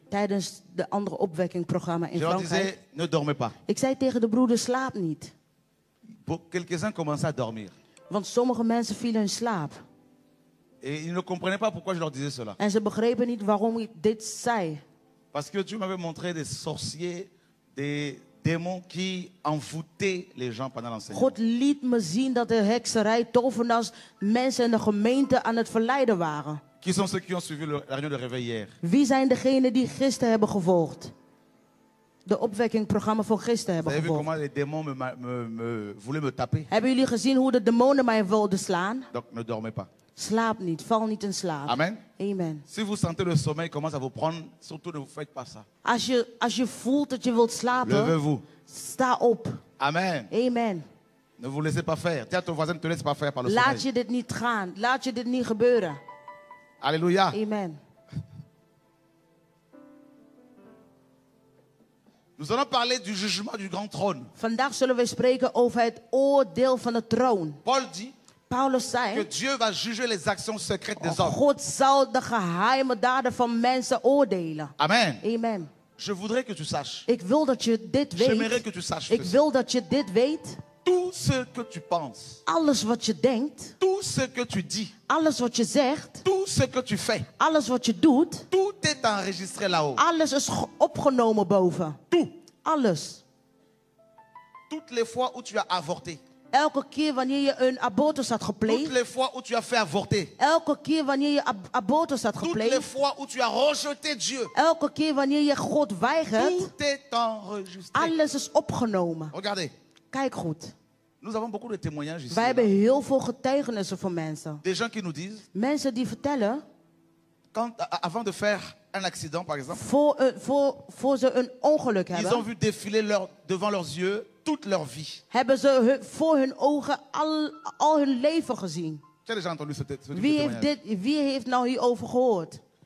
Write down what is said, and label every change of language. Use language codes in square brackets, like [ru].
[nl] tijdens de andere opwekkingprogramma in Frankrijk, [fr] disais, ne dormez pas. [nl] Ik zei tegen de broeder, slaap niet. [fr] Quelques-uns commençaient à dormir. [nl] Want sommige mensen vielen in slaap. [fr] Et ils ne comprenaient pas pourquoi je leur disais cela. [nl] En ze begrepen niet waarom ik dit zei. [fr] Parce que Dieu m'avait montré des sorciers, des démons qui envoûtaient les gens pendant l'enseignement. [nl] God liet me zien dat de hekserij, tovenaars, mensen in de gemeente aan het verleiden waren. [fr] Qui sont ceux qui ont suivi la réunion de réveil hier? [nl] Wie zijn degenen die gisteren hebben gevolgd? De opwekkingprogramma van gisteren hebben gevolgd. [fr] Vous avez vu comment les démons me voulaient me taper? [nl] Hebben jullie gezien hoe de demonen mij wilden slaan? [fr] Donc ne dormez pas. [nl] Slaap niet, val niet in slaap. [fr] Amen. [nl] Amen. [fr] Si vous sentez le sommeil commence à vous prendre, surtout ne vous faites pas ça. [nl] Als je voelt dat je wilt slapen, [fr] levez-vous. [nl] Sta op. [fr] Amen. [nl] Amen. [fr] Ne vous laissez pas faire. Tiens, ton voisin ne te laisse pas faire par le sommeil. [nl] Laat je dit niet gaan. Laat je dit niet gebeuren. [fr] Alléluia. [nl] Amen. [fr] Nous allons parler du jugement du grand trône. [nl] Vandaag zullen we spreken over het oordeel van de troon. [fr] Paul dit. [nl] Paulus zei, [fr] que Dieu va juger les actions secrètes des hommes. [nl] God zal de geheime daden van mensen oordelen. [fr] Amen. [nl] Amen. [fr] Je voudrais que tu saches. [nl] Ik wil dat je dit weet. [fr] J'aimerais que tu saches. [nl] Ik wil dat je dit weet. [fr] Tout ce que tu penses. [nl] Alles wat je denkt. [fr] Tout ce que tu dis. [nl] Alles wat je zegt. [fr] Tout ce que tu fais. [nl] Alles wat je doet. [fr] Tout est enregistré là-haut. [nl] Alles is opgenomen boven. [fr] Tout. [nl] Alles. [fr] Toutes les fois où tu as avorté. [nl] Elke keer wanneer je een abortus had gepleegd. [fr] Toutes les fois où tu as fait avorter. [nl] Elke keer wanneer je abortus had gepleegd. [fr] Toutes les fois où tu as rejeté Dieu. [nl] Elke keer wanneer je God weigert. [fr] Tout est enregistré. [nl] Alles is opgenomen. [fr] Regardez. [nl] Kijk goed. [fr] Nous avons beaucoup de témoignages ici. [nl] Wij hebben heel veel getuigenissen van mensen. [fr] Des gens qui nous disent. [nl] Mensen die vertellen. [fr] Quand, avant de faire un accident, par exemple. [nl] Voor ze een ongeluk hebben. [fr] Ils ont vu défiler devant leurs yeux. Toute leur vie. [nl] Hebben ze voor hun ogen al hun leven gezien? Wie heeft nou hierover gehoord?